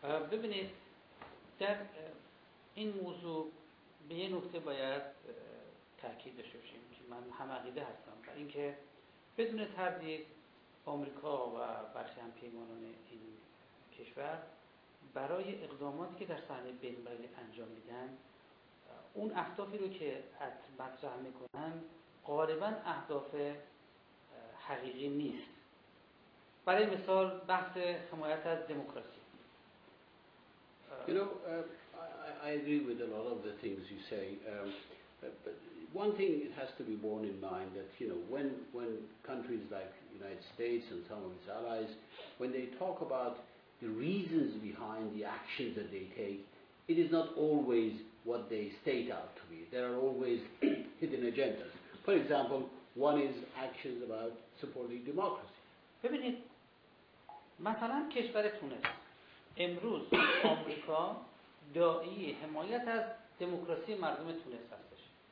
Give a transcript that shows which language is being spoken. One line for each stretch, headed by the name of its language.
Persian: ببینید در این موضوع به یه نقطه باید تاکید داشته باشیم که من هم عقیده هستم، برای اینکه بدون تردید آمریکا و برخی هم پیمانان این کشور برای اقداماتی که در صحنه بین‌المللی انجام میدن، اون اهدافی رو که مطرح میکنن غالبا اهداف حقیقی نیست. برای مثال بحث حمایت از دموکراسی.
English: You know, I agree with a lot of the things you say. But one thing it has to be borne in mind that, you know, when countries like the United States and some of its allies, when they talk about the reasons behind the actions that they take, it is not always what they state out to be. There are always hidden agendas. For example, one is actions about supporting democracy.
Persian: ببینید مثلا کشور تونس امروز آمریکا داعی حمایت از دموکراسی مردم تونس هستش.